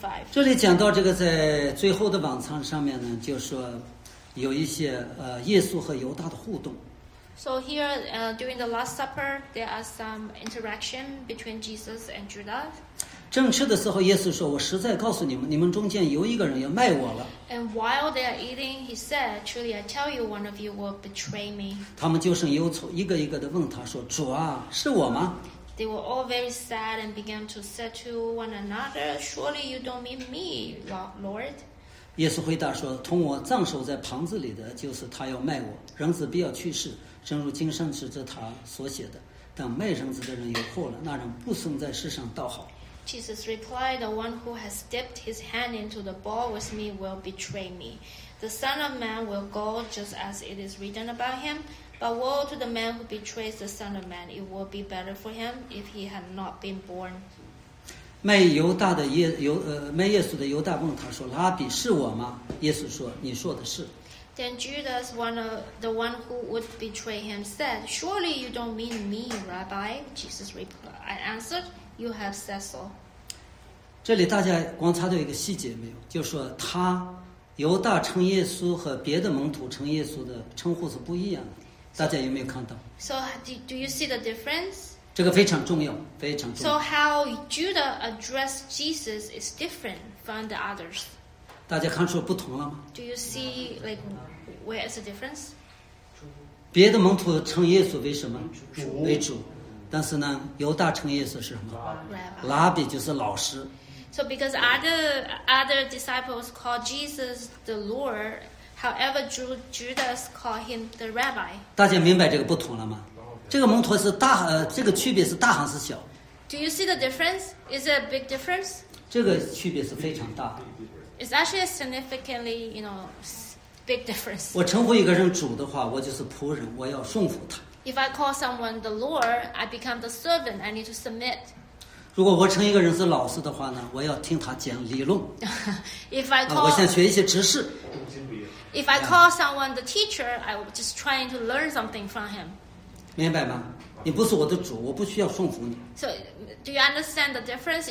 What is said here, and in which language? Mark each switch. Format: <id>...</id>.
<zh>这里讲到这个在最后的晚餐上面呢，就说有一些耶稣和犹大的互动。</zh> <en>So here, during the Last Supper, there are some interaction between Jesus and Judas.</en> <zh>正吃的时候，耶稣说：“我实在告诉你们，你们中间有一个人要卖我了。”</zh> <en>And while they are eating, he said, "Truly, I tell you, one of you will betray me."</en> <zh>他们就剩忧愁，一个一个的问他说：“主啊，是我吗？”</zh> <en>They were all very sad and began to say to one another, "Surely you don't mean me, Lord."</en> <zh>耶稣回答说：“同我葬守在棚子里的，就是他要卖我。人子必要去世，正如经上指着他所写的。但卖人子的人有祸了，那人不生在世上倒好。”</zh> <en>Jesus replied, "The one who has dipped his hand into the bowl with me will betray me. The Son of Man will go just as it is written about him. But woe to the man who betrays the Son of Man. It will be better for him if he had not been born."</en> <zh>卖犹大的卖耶稣的犹大问他说：“拉比，是我吗？” 耶稣说：“你说的是。”</zh> <en>Then Judas, the one who would betray him, said, "Surely you don't mean me, Rabbi?" Jesus replied, "I answered. You have said so."</en> <zh>这里大家观察到一个细节没有？就是说他犹大称耶稣和别的门徒称耶稣的称呼是不一样的，大家有没有看到</zh> <en>？So do you see the difference?</en> <zh>这个非常重要，非常重要。</zh> <en>So how Judah addressed Jesus is different from the others.</en> <zh>大家看出不同了吗</zh> <en>？Do you see like where is the difference?</en> <zh>别的门徒称耶稣为什么？为主。但是呢，犹大称耶稣是什么？拉比就是老师。</zh> <en>So because other disciples call Jesus the Lord, however Judas call him the Rabbi.</en> <zh>大家明白这个不同了吗？这个门徒是大这个区别是大还是小</zh> <en>？Do you see the difference? Is it a big difference?</en> <zh>这个区别是非常大。</zh> <en>It's actually a significantly, you know, big difference. 我称呼一个人主的话，我就是仆人，我要顺服他。 If I call someone the Lord, I become the servant. I need to submit.</en> <zh>如果我称一个人是老师的话呢，我要听他讲理论。</zh> <en>If I call,</en> <zh>我想学一些知识。</zh> <en>If I call someone the teacher, I'm just trying to learn something from him.</en> <zh>明白吗？你不是我的主，我不需要顺服你。</zh> <en>So, do you understand the difference?</en>